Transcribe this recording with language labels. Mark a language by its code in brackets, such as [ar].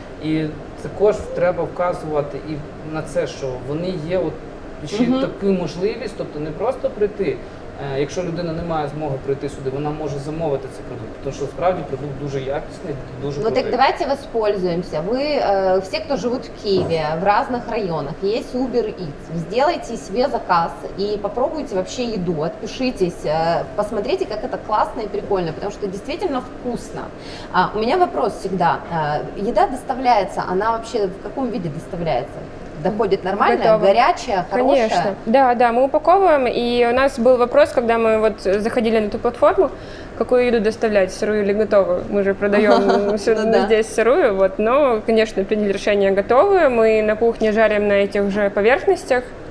[uk] І також треба вказувати і на це, що вони є от ще таку можливість, тобто не просто прийти, якщо людина не має змоги прийти сюди, вона може замовити цей продукт, тому що справді продукт дуже якісний, дуже крутий. Ну так давайте воспользуємся. Ви всі, хто живуть в Києві, в різних районах, є Uber Eats. Зробіть собі заказ і попробуйте вообще їду, відпишіться, посмотрите, як це класно і прикольно, тому що дійсно вкусно. У мене вопрос завжди. Їда доставляється, вона вообще в якому виді доставляється? [ru] Доходит нормально, готово. Горячая, конечно. Хорошая? Да, да, мы упаковываем, и у нас был вопрос, когда мы вот заходили на эту платформу, какую еду доставлять, сырую или готовую, мы же продаем здесь сырую, вот, но, конечно, приняли решение готовую, мы на кухне жарим на этих же поверхностях,